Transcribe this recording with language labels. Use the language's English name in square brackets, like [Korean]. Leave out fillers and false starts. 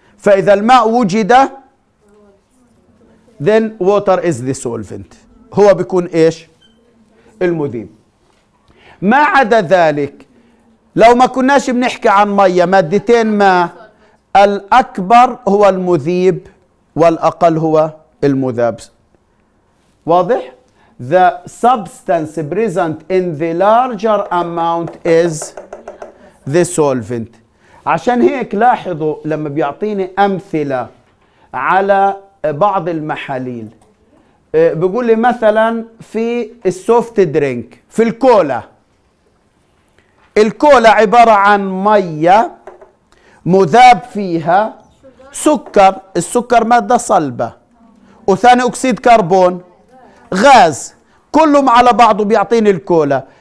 [Arabic] فإذا الماء وجد [English] then water is the solvent، [Arabic] هو بيكون إيش؟ المذيب. ما عدا ذلك لو ما كناش بنحكي عن مية مادتين ما، الأكبر هو المذيب والأقل هو المذاب. واضح؟ [English] The substance present in the larger amount is the solvent. [Arabic] عشان هيك لاحظوا لما بيعطيني أمثلة على بعض المحاليل بيقول لي مثلا في السوفت درينك في الكولا، الكولا عبارة عن مية مذاب فيها سكر، السكر مادة صلبة وثاني أكسيد كربون غاز، كلهم على بعضه بيعطيني الكولا.